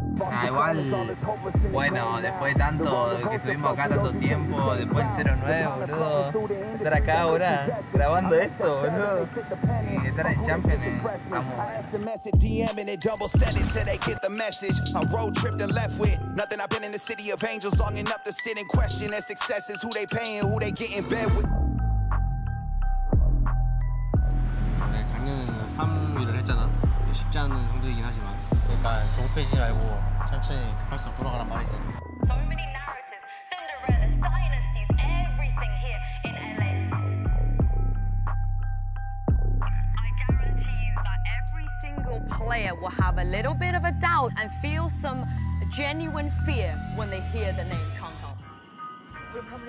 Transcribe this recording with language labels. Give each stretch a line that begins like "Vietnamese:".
Spanish: Ah, igual, bueno, después de tanto que estuvimos acá tanto tiempo, después del 0-9, boludo, estar acá ahora grabando esto, boludo, y estar en Champions, vamos.
English: I'm road tripped and left with nothing. I've been in the city of angels long enough to sit and question their successes, who they paying, who they get in bed with.
Korean: 네, 작년 3위를 했잖아. 쉽지 않은 성적이긴 하지만. 그러니까 조급해지지 말고 천천히 급할수록 돌아가란 말이지.
English: So many narratives, Cinderella's dynasties, everything here in LA. I guarantee you that every single player will have a little bit of a doubt and feel some genuine fear when they hear the name Kong Kong.